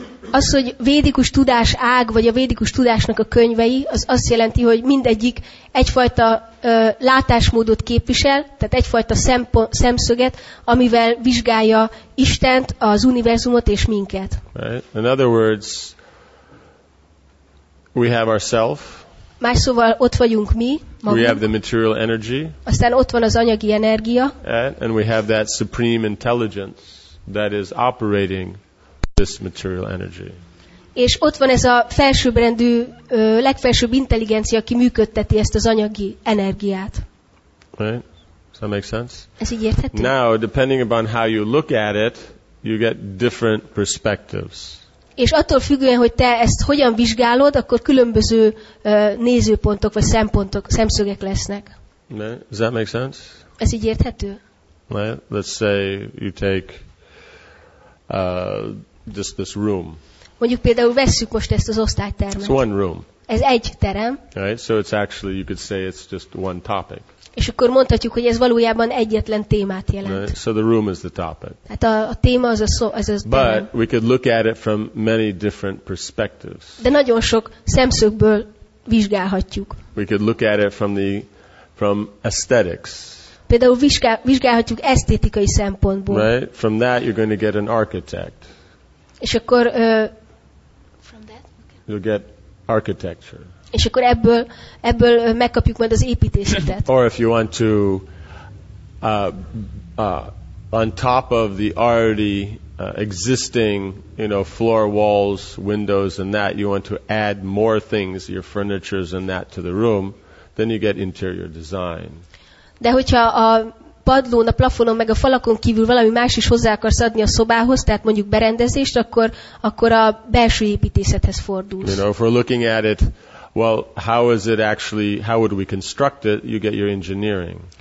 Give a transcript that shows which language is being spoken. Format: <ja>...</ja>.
<hu>Az, hogy védikus tudás ág, vagy a védikus tudásnak a könyvei, az azt jelenti, hogy mindegyik egyfajta látásmódot képvisel, tehát egyfajta szemszöget, amivel vizsgálja Istent, az univerzumot és minket.</hu> <en>Right. In other words, we have ourself.</en> <hu>Más szóval ott vagyunk mi, magunk.</hu> <en>We have the material energy.</en> <hu>Aztán ott van az anyagi energia.</hu> <en>And we have that supreme intelligence that is operating this material energy.</en> <hu>És ott van ez a felsőbbrendű, legfelsőbb intelligencia, aki működteti ezt az anyagi energiát.</hu> <en>Right? Does that make sense?</en> <hu>Ez így érthető?</hu> <en>Now, depending upon how you look at it, you get different perspectives.</en> <hu>És attól függően, hogy te ezt hogyan vizsgálod, akkor különböző nézőpontok vagy szempontok, szemszögek lesznek.</hu> <en>Right? Does that make sense?</en> <hu>Ez így érthető?</hu> <en>Right? Let's say you take this room.</en> <hu>Mondjuk például vesszük most ezt az osztálytermet.</hu> <en>It's one room.</en> <hu>Ez egy terem.</hu> <en>Right, so it's actually, you could say it's just one topic.</en> <hu>És akkor mondhatjuk, hogy ez valójában egyetlen témát jelent.</hu> <en>Right, so the room is the topic.</en> <hu>Hát a téma az a szó, az a terem.</hu> <en>But we could look at it from many different perspectives.</en> <hu>De nagyon sok szemszögből vizsgálhatjuk.</hu> <en>We could look at it from aesthetics.</en> <hu>Például vizsgálhatjuk esztétikai szempontból.</hu> <en>Right, from that you're going to get an architect.</en> <hu>És akkor</hu> <en>you'll get architecture.</en> <hu>És akkor ebből megkapjuk majd az építészetet.</hu> <en>Or if you want to on top of the already existing, you know, floor, walls, windows and that, you want to add more things, your furnitures and that to the room, then you get interior design.</en> <hu>De hogyha a padlón, a plafonon, meg a falakon kívül valami más is hozzá akarsz adni a szobához, tehát mondjuk berendezést, akkor a belső építészethez fordulsz.</hu> <en>You know, if we're looking at it, well, how is it actually, how would we construct it, you get your engineering.</en>